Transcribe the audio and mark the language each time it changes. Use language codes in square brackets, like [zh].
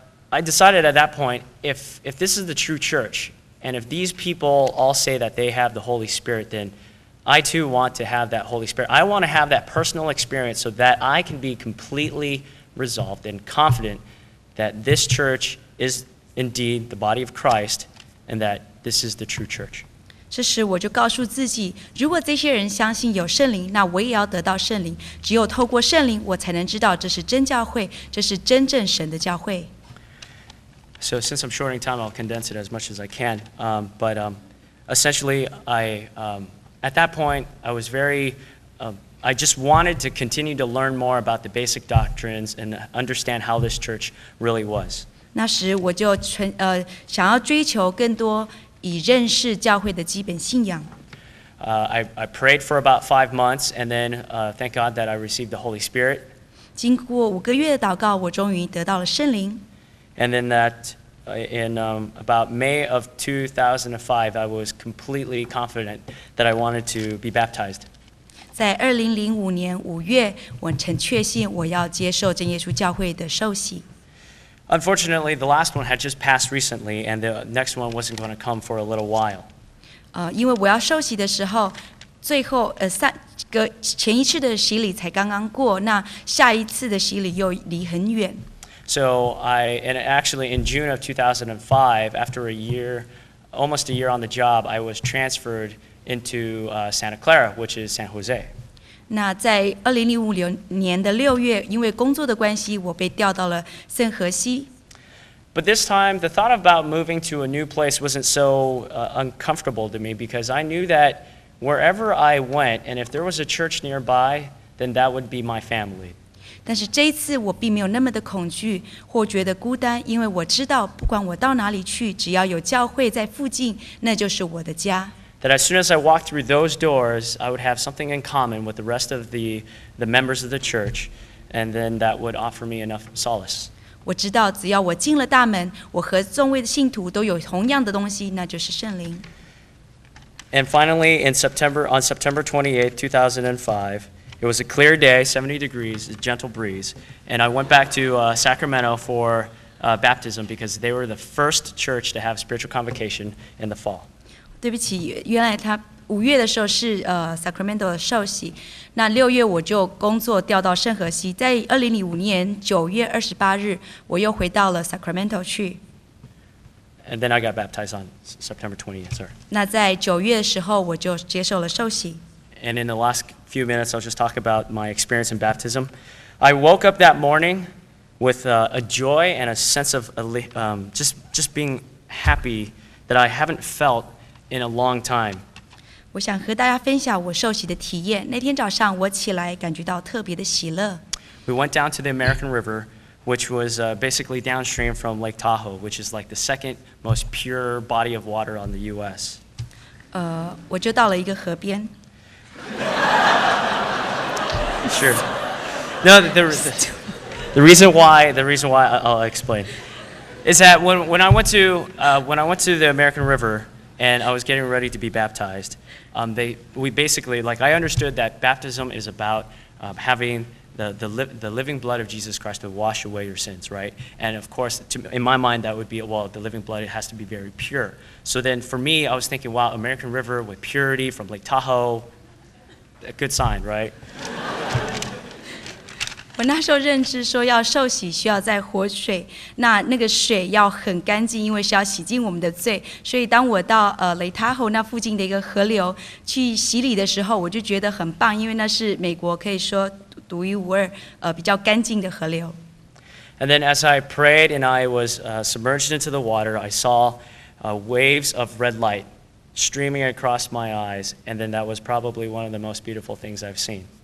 [en] I decided at that point, if this is the true church, and if these people all say that they have the Holy Spirit, then I too want to have that Holy Spirit. I want to have that personal experience so that I can be completely resolved and confident that this church is indeed the body of Christ and that this is the true church. [zh] 这时我就告诉自己，如果这些人相信有圣灵，那我也要得到圣灵。只有透过圣灵，我才能知道这是真教会，这是真正神的教会。 [en] So since I'm shorting time, I'll condense it as much as I can. Essentially, at that point, I was very, I just wanted to continue to learn more about the basic doctrines and understand how this church really was. [zh] 那时我就想要追求更多以认识教会的基本信仰。 [en] I prayed for about 5 months, and then thank God that I received the Holy Spirit. [zh] 经过五个月的祷告，我终于得到了圣灵。 [en] And then that in about May of 2005, I was completely confident that I wanted to be baptized. [zh] 在2005年五月，我曾确信我要接受真耶稣教会的受洗。 [en] Unfortunately, the last one had just passed recently, and the next one wasn't going to come for a little while. [zh] 因为我要受洗的时候，最后前一次的洗礼才刚刚过，那下一次的洗礼又离很远。 [en] So I, and actually in June of 2005, after a year, almost a year on the job, I was transferred into Santa Clara, which is San Jose. [zh] 那在2005年的六月，因为工作的关系，我被调到了圣何西。 [en] But this time, the thought about moving to a new place wasn't so uncomfortable to me because I knew that wherever I went, and if there was a church nearby, then that would be my family. [zh] 但是这一次我并没有那么的恐惧或觉得孤单，因为我知道不管我到哪里去，只要有教会在附近，那就是我的家。 [en] That as soon as I walked through those doors, I would have something in common with the rest of the members of the church, and then that would offer me enough solace. [zh] 我知道只要我进了大门，我和众位的信徒都有同样的东西，那就是圣灵。 [en] And finally, on September 28, 2005, it was a clear day, 70 degrees, a gentle breeze, and I went back to Sacramento for baptism because they were the first church to have spiritual convocation in the fall. [zh] 对不起，原来他五月的时候是Sacramento 的受洗，那六月我就工作调到圣何西，在2005年9月28日，我又回到了 Sacramento 去。 [en] And then I got baptized on September 20th, sir. [zh] 那在九月的时候我就接受了受洗。 [en] And in the last few minutes, I'll just talk about my experience in baptism. I woke up that morning with a joy and a sense of just being happy that I haven't felt in a long time. [zh] 我想和大家分享我受洗的体验。那天早上我起来感觉到特别的喜乐。 [en] We went down to the American River, which was basically downstream from Lake Tahoe, which is like the second most pure body of water on the U.S. [zh] 我就到了一个河边。 [en] Sure. No, the reason why I'll explain is that when I went to the American River and I was getting ready to be baptized, I understood that baptism is about having the living blood of Jesus Christ to wash away your sins, right? And of course, in my mind, that would be, well, the living blood, it has to be very pure. So then for me, I was thinking, wow, American River with purity from Lake Tahoe, a good sign, right? [zh] 我那时候认知说要受洗需要在活水，那那个水要很干净，因为是要洗净我们的罪。所以当我到雷塔后那附近的一个河流去洗礼的时候，我就觉得很棒，因为那是美国可以说独一无二比较干净的河流。 [en] And then as I prayed and I was submerged into the water, I saw waves of red light streaming across my eyes, and then that was probably one of the most beautiful things I've seen.